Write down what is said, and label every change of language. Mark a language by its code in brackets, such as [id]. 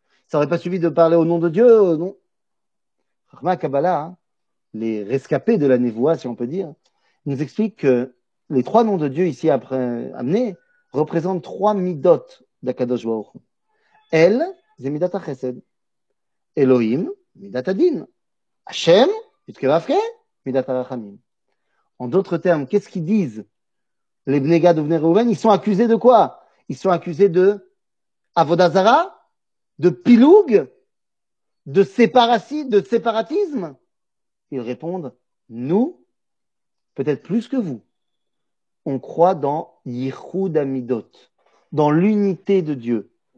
[fr] Ça aurait pas suffi de parler au nom de Dieu, non? Rama Kabbalah, les rescapés de la névoie, si on peut dire, nous expliquent que les trois noms de Dieu ici amenés représentent trois midot d'Akadosh Baruch Hu. El, [he] זה מידת החסד. אלוהים, מידת הדין. השם, יתקבעפקה, מידת הרחמים. [fr] En d'autres termes, qu'est-ce qu'ils disent les Bnei Gad ou Bnei Reuven? Ils sont accusés de quoi? Ils sont accusés de Avodah Zara, de Piloug, de séparatisme. Ils répondent, nous, peut-être plus que vous, on croit dans Yichud Amidot, dans l'unité de Dieu.